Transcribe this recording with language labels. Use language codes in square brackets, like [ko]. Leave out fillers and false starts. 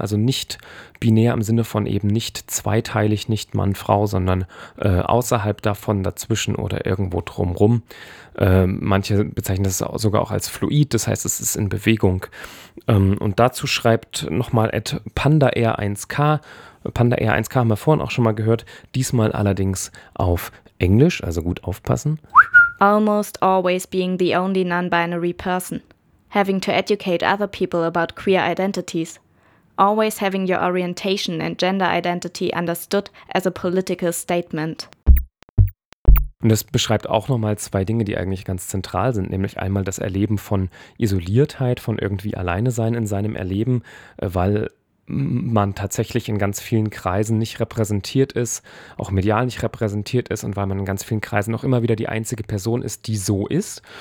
[de] Also nicht-binär im Sinne von eben nicht zweiteilig, nicht Mann-Frau, sondern außerhalb davon, dazwischen oder irgendwo drumrum. Manche bezeichnen das sogar auch als fluid, das heißt, es ist in Bewegung. Und dazu schreibt nochmal @pandaair1k, pandaair1k haben wir vorhin auch schon mal gehört, diesmal allerdings auf Englisch, also gut aufpassen. [en] Almost always being the only non-binary person. Having to educate other people about queer identities. Always having your orientation and gender identity understood as a political statement. [de] Und das beschreibt auch nochmal zwei Dinge, die eigentlich ganz zentral sind. Nämlich einmal das Erleben von Isoliertheit, von irgendwie alleine sein in seinem Erleben, weil man tatsächlich in ganz vielen Kreisen nicht repräsentiert ist, auch medial nicht repräsentiert ist und weil man in ganz vielen Kreisen auch immer wieder die einzige Person ist, die so ist.